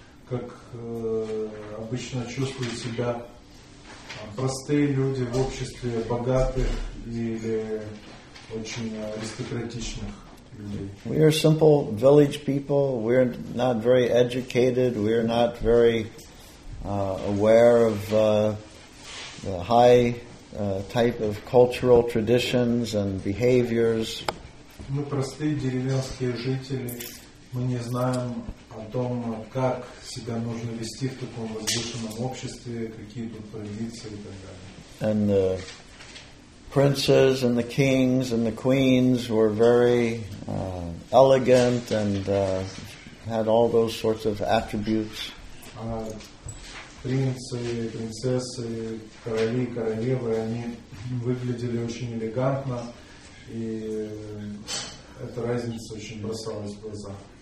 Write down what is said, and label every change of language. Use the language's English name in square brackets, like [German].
[Russian] Как обычно чувствуют себя простые люди в обществе богатых или очень аристократичных людей. [English] We are simple village people. We're not very educated. We're not very aware of the high type of cultural traditions and behaviors. [Russian] Мы простые деревенские жители. Мы не знаем о том, как себя нужно вести в таком возвышенном обществе, какие тут традиции и так далее. [English] And the princes and the kings and the queens were very elegant and had all those sorts of attributes. [Russian] Принцы, принцессы, короли, королевы, они выглядели очень элегантно, и эта разница очень бросалась в глаза.